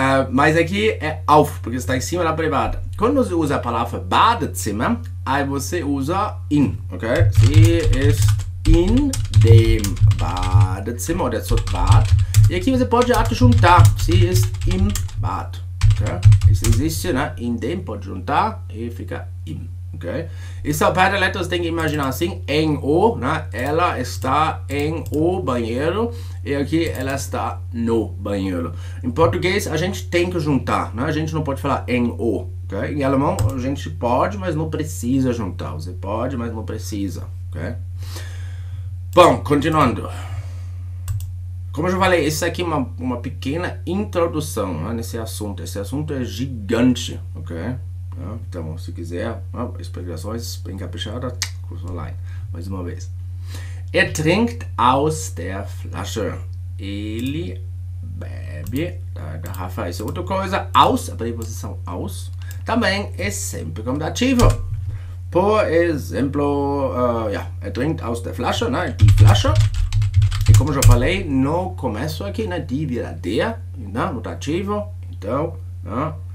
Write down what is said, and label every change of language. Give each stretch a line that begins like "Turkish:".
Portuguese: Mas aqui é auf, porque está em cima da privada. Quando você usa a palavra Badezimmer, aí você usa in, ok?
German: Se ist in dem Badezimmer, oder zum Bad.
Portuguese: E aqui você pode adjuntar,
German: se ist im Bad,
Portuguese: ok? Isso existe, né? In dem pode juntar e fica im, ok? E só para letras tem que imaginar assim, em o, né? Ela está em o banheiro e aqui ela está no banheiro. Em português a gente tem que juntar, né? A gente não pode falar em o, ok? Em alemão a gente pode, mas não precisa juntar. Você pode, mas não precisa, ok? Bom, continuando. Como eu já falei, isso aqui é uma pequena introdução, né, nesse assunto. Esse assunto é gigante, ok? Então, se quiser, explicações bem caprichadas, curso online. Mais uma vez.
German: Er trinkt aus der Flasche.
Portuguese: Ele bebe da garrafa. Isso é outra coisa. Aus, a preposição aus, também é sempre condativo. Por exemplo,
German: er trinkt aus der Flasche,
Portuguese: né? Die Flasche. Como já falei, no começo aqui, né? Die vira der, né? Notativo. Então, né?